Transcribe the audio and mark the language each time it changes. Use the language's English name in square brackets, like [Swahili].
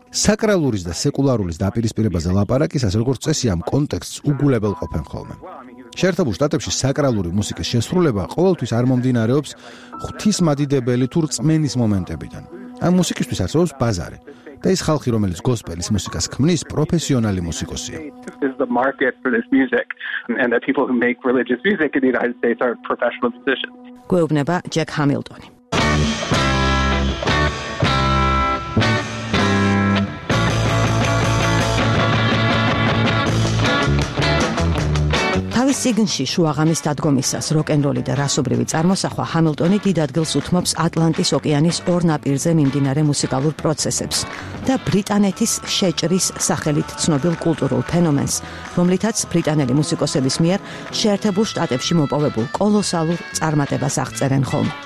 [Georgian] საკრალურის და სეკულარულის დაპირისპირებაზე ლაპარაკისას, როგორც წესი, ამ კონტექსტს უგულებელ ყოფენ ხოლმე. შეერთებულ შტატებში საკრალური მუსიკის შესრულება ყოველთვის არ მომდინარეობს ღვთისმადიდებელი თუ რწმენის მომენტებიდან. ამ მუსიკისთვის არსებობს ბაზარი. და ის ხალხი, რომელიც გოსპელის მუსიკას ქმნის, პროფესიონალი მუსიკოსია. [English] This is the market for this music and the people who make religious music in the United States are professional musicians. [Georgian] გვეუბნება ჯეკ ჰამილტონი. თავის ციგნში შუაღამის დადგომისას როკენროლი და რასობრივი წარმოსახვა ჰამილტონი დიდ ადგილს უთმობს ატლანტის ოკეანის ორ ნაპირზე მიმდინარე მუსიკალურ პროცესებს და ბრიტანეთის შეჭრის სახელით ცნობილ კულტურულ ფენომენს, რომლითაც ბრიტანელი მუსიკოსების მიერ შეერთებულ შტატებში მოპოვებულ კოლოსალურ წარმატებას აღწერენ ხოლმე.